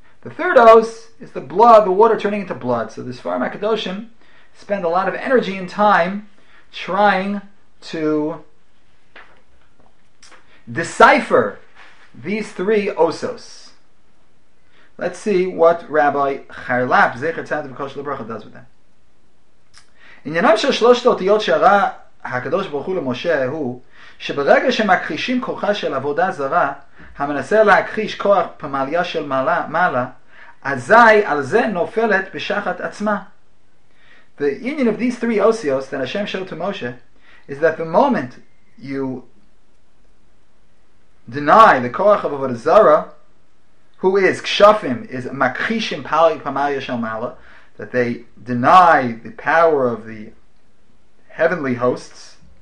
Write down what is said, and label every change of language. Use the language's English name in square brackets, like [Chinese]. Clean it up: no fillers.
[English] The third os is the blood, the water turning into blood. So the Sfarim HaKadoshim spend a lot of energy and time trying to decipher these three osos. Let's see what Rabbi Charlap, [Hebrew] Zecher Tzadik V'Kol Shelevracha, [English] does with them. [Hebrew] עניינם של שלושת האותיות שהראה הקדוש ברוך הוא למשה הוא שברגע שמכחישים כוחה של עבודה זרה המנסה להכחיש כוח פמליה של מעלה אזי על זה נופלת בשחת עצמה. [English] The union of these three osios that Hashem showed to Moshe is that the moment you deny the כוח of עבודה זרה, who is kshafim, is [Hebrew] makhishim pamalya shel mala, [English] that they deny the power of the heavenly hosts.